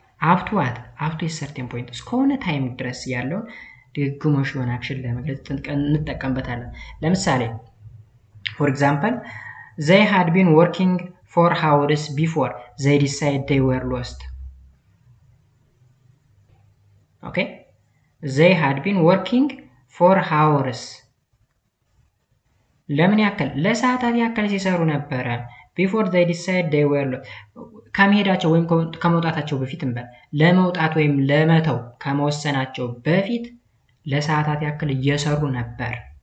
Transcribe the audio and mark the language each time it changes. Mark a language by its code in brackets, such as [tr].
[en] up to a certain point እስከሆነ time [am] ድረስ ያለውን ድግግሞሽ የሆነ አክሽን ለመግለጽ እንጠቀምበታለን። ለምሳሌ [en] for example they had been working for hours before they decided they were lost. Okay, they had been working for hours. [am] ለምን ያክል ለሰዓታት ያክል ሲሰሩ ነበር? [en] Before they decided they were lost. [am] ከመሄዳቸው ወይም ከመውጣታቸው በፊት እንበል ለመውጣት ወይም ለመተው ከመወሰናቸው በፊት ለሰዓታት ያክል እየሰሩ ነበር።